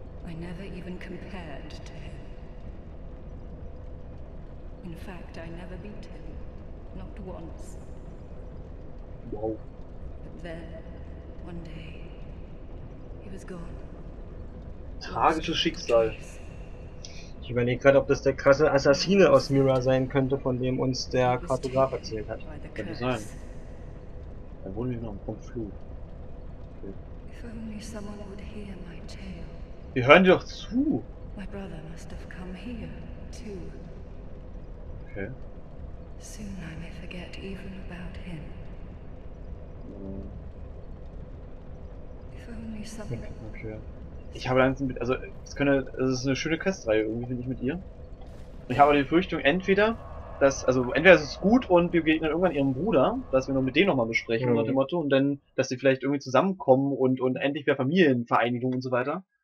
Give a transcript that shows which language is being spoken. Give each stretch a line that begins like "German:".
English: I never even compared to him. In fact, I never beat him. Not once. Wow. But then, one day, he was gone.
German: Tragisches Schicksal. Ich überlege gerade, ob das der krasse Assassine aus Mirra sein könnte, von dem uns der Kartograf erzählt hat. Könnte sein. Da wohnen wir noch vom Flug. Okay.
English: If only someone would hear my tale.
German: Wir hören dir doch zu.
English: My brother must have come here too. Okay. Soon I may forget even about him. If only someone...
German: Okay. Ich habe langsam mit, also es könnte, es ist eine schöne Questreihe irgendwie, finde ich, mit ihr. Ich habe die Befürchtung, entweder, dass, also entweder ist es gut und wir begegnen irgendwann ihrem Bruder, dass wir noch mit dem nochmal besprechen, unter dem Motto, und dann, dass sie vielleicht irgendwie zusammenkommen und endlich wieder Familienvereinigung und so weiter.